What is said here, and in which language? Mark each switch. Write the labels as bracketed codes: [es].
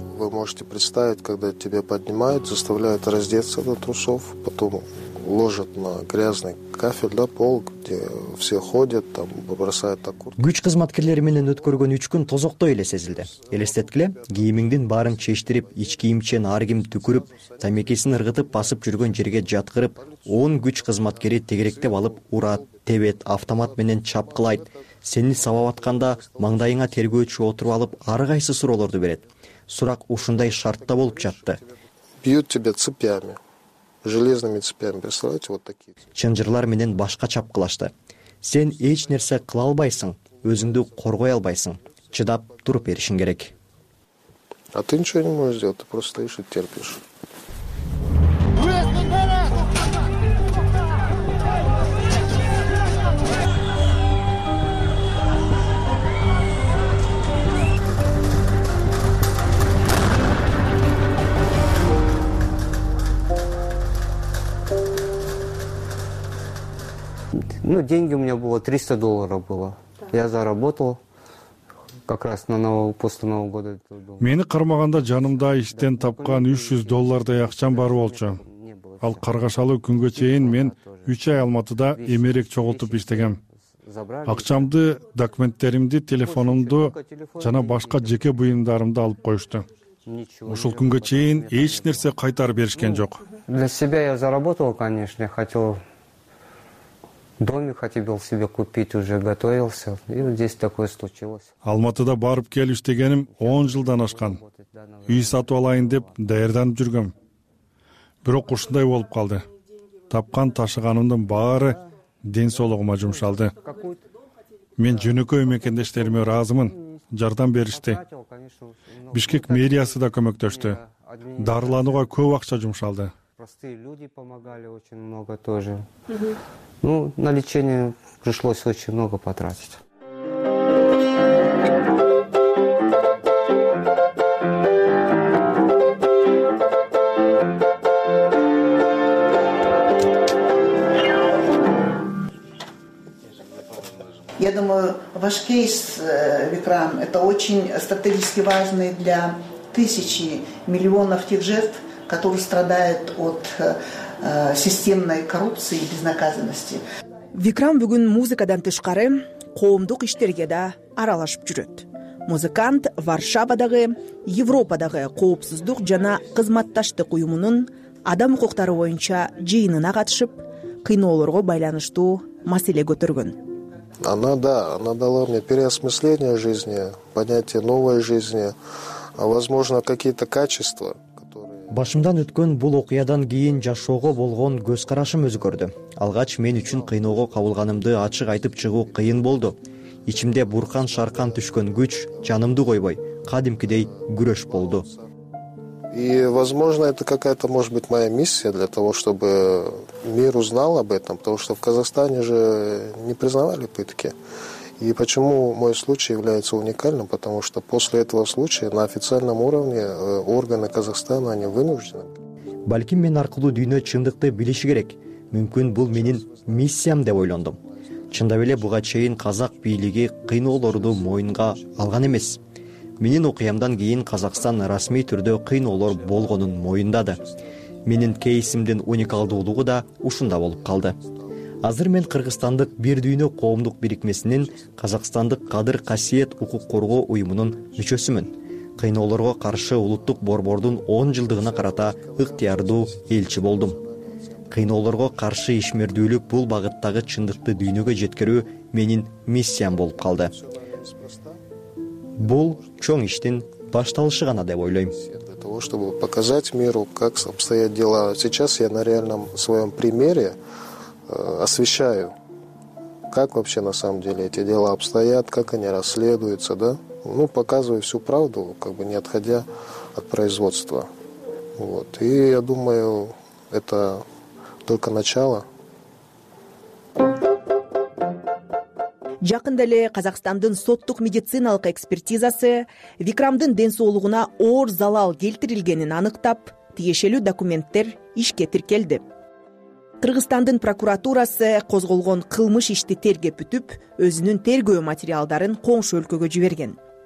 [ru] Можете представить, когда тебя поднимают, заставляют раздеться до трусов, потом ложат на грязный кафель, да, пол, где все ходят, там, бросают окурки. [ky] Күч кызматкерлери менен өткөргөн 3 күн тозоктой эле сезилди. Элестеткиле, кийимиңдин баарын чечтирип, ич кийимчен ар ким түкүрүп, тамекесин ыргытып басып жүргөн жерге жаткырып, 10 күч кызматкери тегеректеп алып, урат, тебет, автомат менен чапкылайт. Сени сабап атканда маңдайыңа тергөөчү отуруп алып, ар кайсы суроолорду берет. Сурак ушундай шартта болуп жатты. [ru] Бьют тебя цепями, железными цепями, представляете, вот такие. [ky] Чынжырлар менен башка чапкылашты. Сен эч нерсе кыла албайсың, өзүңдү коргой албайсың. Чыдап туруп беришиң керек. [ru] А ты ничего не можешь сделать, ты просто стоишь и терпишь. Ну, деньги у меня было, $300 было. Я заработал как раз на после Нового года. [ky] Мени кармаганда жанымда иштен тапкан $300 акчам бар болчу. Ал каргашалуу күнгө чейин мен 3 ай Алматыда эмерек чогултуп иштегем. Акчамды, документтеримди, телефонумду жана башка жеке буюмдарымды алып коюшту. Ушул күнгө чейин эч нерсе кайтарып беришкен жок. [ru] Для себя я заработал, конечно, я хотел... Домик хотел себе купить, уже готовился. И вот здесь такое случилось. [ky] Алматыда барып келип иштегеним 10 жылдан ашкан. Үй сатып алайын деп даярданып жүргөм. Бирок ушундай болуп калды. Тапкан ташыганымдын баары ден соолугума жумшалды. Мен жөнөкөй мекендештериме ыраазымын. Жардам беришти. Бишкек мэриясы да көмөктөштү. Дарыланууга көп акча жумшалды. [ru] Простые люди помогали очень много тоже. Ну, на лечение пришлось очень много потратить. Я думаю, ваш кейс, Викрам, это очень стратегически важный для тысячи, миллионов тех жертв, которые страдают от системной коррупции и безнаказанности. [ky] Викрам бүгін музыкадан тышқары, қоғымдық іштерге да аралашып жүрет. Музыкант Варшавадағы, Европадағы қоғыпсыздық жана қызматташтық ұйымының адам құқтары ойынша жиынына қатышып, қиноларға байланышту мәселе көтергін. [ru] Она дала мне переосмысление жизни, понятие новой жизни, а возможно какие-то качества. [ky] Башымдан өткөн бул окуядан кийин жашоого болгон көз карашым өзгөрдү. Алгач мен үчүн кыйноого кабылганымды ачык айтып чыгуу кыйын болду. Ичимде буркан шаркан түшкөн күч жанымды койбой, кадимкидей күрөш болду. [ru] И, возможно, это какая-то, может быть, моя миссия для того, чтобы мир узнал об этом, потому что в Казахстане же не признавали пытки. И почему мой случай является уникальным? Потому что после этого случая на официальном уровне органы Казахстана, они вынуждены. [ky] Балким мен аркылуу дүйнө чындыкты билиш керек. Мүмкүн бул менин миссиям деп ойлондум. Чындап эле буга чейин казак бийлиги кыйноолорду мойнуна алган эмес. Менин окуямдан кийин Казакстан расмий түрдө кыйноолор болгонун мойындады. Менин кейсимдин уникалдуулугу да ушунда болуп калды. Азыр мен Кыргызстандык бир дүйнө коомдук бирикмесинин Казакстандык кадыр касиет укук коргоо уюмунун мүчөсүмүн. Кыйноолорго каршы улуттук борбордун 10 жылдыгына карата ыктыярдуу элчи болдум. Кыйноолорго каршы ишмердүүлүк бул багыттагы чындыкты дүйнөгө жеткирүү менин миссиям болуп калды. Бул чоң иштин башталышы гана деп ойлойм. [ru] Для того, чтобы показать миру, как обстоят дела. Сейчас я на реальном своем примере освещаю, как вообще на самом деле эти дела обстоят, как они расследуются, да? Ну, показываю всю правду, как бы не отходя от производства. Вот. И я думаю, это только начало. [ky] Жакында эле Казакстандын соттук медициналык экспертизасы Викрамдын ден соолугуна оор залал келтирилгенин аныктап, тиешелүү документтер ишке тиркелди. Кыргызстандын прокуратурасы козголгон кылмыш ишти тергеп бүтүп, өзүнүн тергөө материалдарын коңшу өлкөгө жиберген.